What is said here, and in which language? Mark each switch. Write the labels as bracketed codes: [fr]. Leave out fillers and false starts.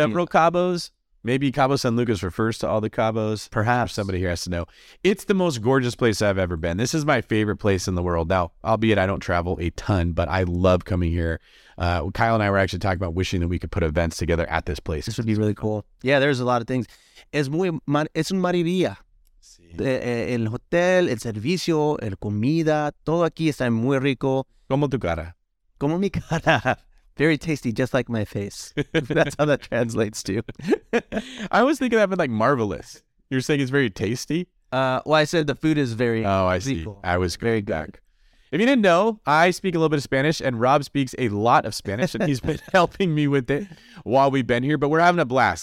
[en] Several Cabos. Maybe Cabo San Lucas refers to all the Cabos. Perhaps somebody here has to know. It's the most gorgeous place I've ever been. This is my favorite place in the world. Now, albeit I don't travel a ton, but I love coming here. Kyle and I were actually talking about wishing that we could put events together at this place. This would be really cool. Yeah, there's a lot of things. [es] Es un maravilla. El hotel, el servicio, el comida, todo aquí está muy rico. Como tu cara. Como mi cara. [en] Very tasty, just like my face. That's how that translates to. I was thinking that meant like marvelous. You're saying it's very tasty? Well, I said the food is very equal. Oh, I see. I was very good. Back. If you didn't know, I speak a little bit of Spanish, and Rob speaks a lot of Spanish, and he's been helping me with it while we've been here, but we're having a blast.